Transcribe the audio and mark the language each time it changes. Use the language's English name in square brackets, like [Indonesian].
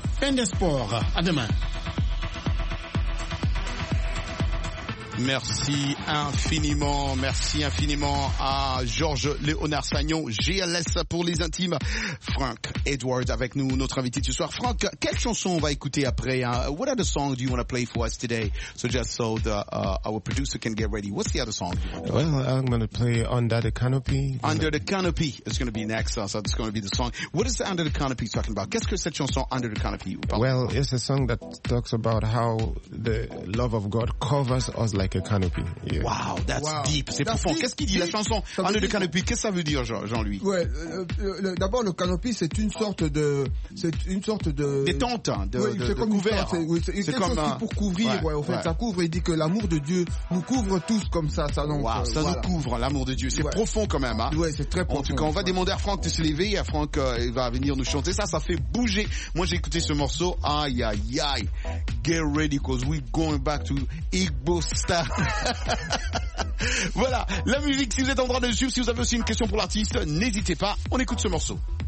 [French] Fin des sports, à demain. Merci infiniment à Georges Léonard Sagnon, GLS pour les intimes. Frank Edward avec nous, notre invité ce soir. Frank, quelle chanson on va écouter après, hein? [English] What other song do you want to play for us today? So just so our producer can get ready. What's the other song? Well, I'm going to play Under the Canopy. Under the Canopy. It's going to be next. So it's going to be the song. What is the Under the Canopy talking about? [French] Qu'est-ce que cette chanson Under the Canopy? [English] Well, it's a song that talks about how the love of God covers us like a canopy. Yeah. Wow, that's deep. [French] C'est profond. Deep. Qu'est-ce qu'il dit, deep. La chanson Under the Canopy? Qu'est-ce que ça veut dire, Jean-Louis? Ouais, d'abord, le canopy, c'est une sorte de... Des tentes, de couvert. C'est quelque chose pour couvrir, ça couvre. Il dit que l'amour de Dieu nous couvre tous comme ça. Ça nous couvre, l'amour de Dieu. C'est profond quand même, hein. Ouais, c'est très profond. En tout cas, on va demander à Franck de se lever et à Franck, il va venir nous chanter. Ça fait bouger. Moi, j'ai écouté ce morceau. Aïe, aïe, aïe. [English] Get ready, cause we're going back to Igbo style. [French] Voilà, la musique, si vous êtes en droit de suivre, si vous avez aussi une question pour l'artiste, n'hésitez pas, on écoute ce morceau.